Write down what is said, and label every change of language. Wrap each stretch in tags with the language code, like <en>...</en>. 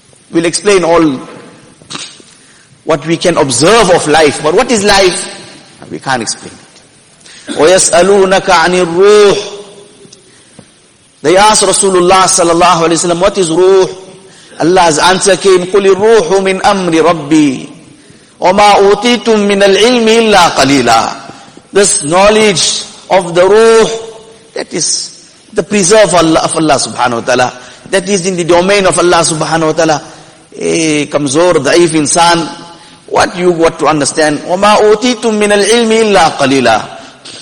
<en>We'll explain all what we can observe of life. But what is life? We can't explain it.</en> <ar>وَيَسْأَلُونَكَ عَنِ الرُّوحِ.</ar> <en>They asked Rasulullah sallallahu alayhi wa sallam, what is ruh? Allah's answer came,</en> <ar>قُلِ الرُّوحُ مِنْ أَمْرِ رَبِّي وَمَا أُوتِيتُم مِّنَ الْعِلْمِ إِلَّا قَلِيلًا.</ar> <en>This knowledge of the ruh, that is the preserve of Allah subhanahu wa ta'ala. That is in the domain of Allah subhanahu wa ta'ala. Kamzor, da'if insan, what you got to understand?</en> <ar>وَمَا أُوتِيتُم مِّنَ الْعِلْمِ إِلَّا قَلِيلًا.</ar>